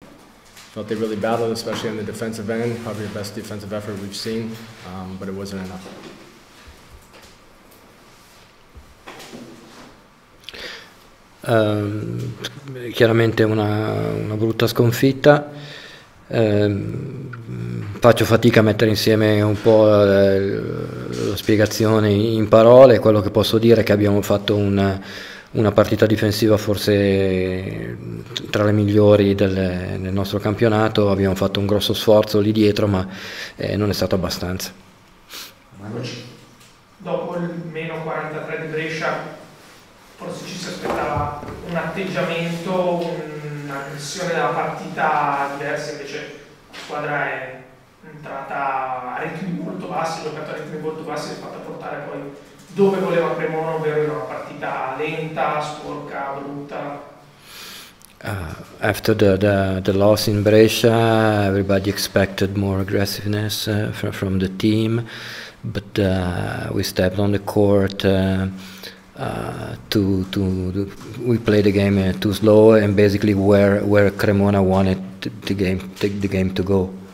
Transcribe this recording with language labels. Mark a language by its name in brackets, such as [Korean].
[English] Felt they really battled, especially on the defensive end. Probably the best defensive effort we've seen, but it wasn't enough. [Italian] Chiaramente una brutta sconfitta. Faccio fatica a mettere insieme un po' la spiegazione in parole. Quello che posso dire è che abbiamo fatto una partita difensiva forse tra le migliori del nostro campionato. Abbiamo fatto un grosso sforzo lì dietro, ma non è stato abbastanza. Dopo il meno 43 di Brescia, forse ci si aspettava un atteggiamento, una missione della partita diversa, invece la squadra è entrata a ritmi molto bassi, ha giocato a ritmi molto bassi, si è fatta portare poi dove voleva Cremona, ovvero in una partita lenta, sporca, brutta. [English] After the loss in Brescia, everybody expected more aggressiveness from the team, but we stepped on the court. We played the game too slow, and basically where Cremona wanted the game to go.